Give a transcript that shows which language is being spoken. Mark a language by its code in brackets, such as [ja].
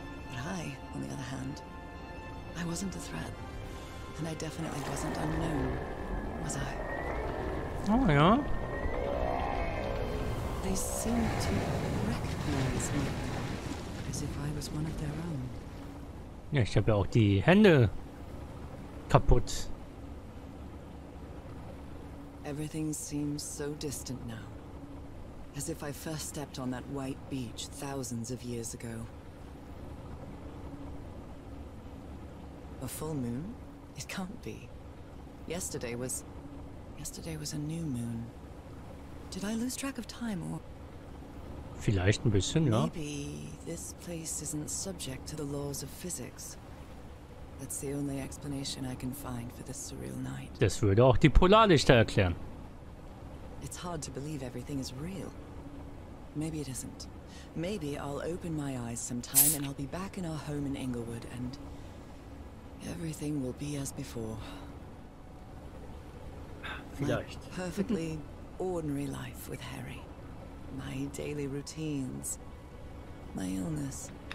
[en] But I, on the other hand, I wasn't a threat. And I definitely wasn't unknown, was I? Oh, yeah. They seemed to recognize me, as if I was one of their own. [de] Ja, ich habe ja auch die Hände kaputt. [en] Everything seems so distant now. As if I first stepped on that white beach thousands of years ago. A full moon? It can't be. Yesterday was a new moon. Did I lose track of time or... [de] Vielleicht ein bisschen, ja. [en] Maybe this place isn't subject to the laws of physics. That's the only explanation I can find for this surreal night. [de] Das würde auch die Polarlichter erklären. [en] It's hard to believe everything is real. Maybe it isn't. Maybe I'll open my eyes sometime and I'll be back in our home in Englewood and everything will be as before. [de] Vielleicht. [en] My perfectly ordinary life with Harry. My daily routines. My illness.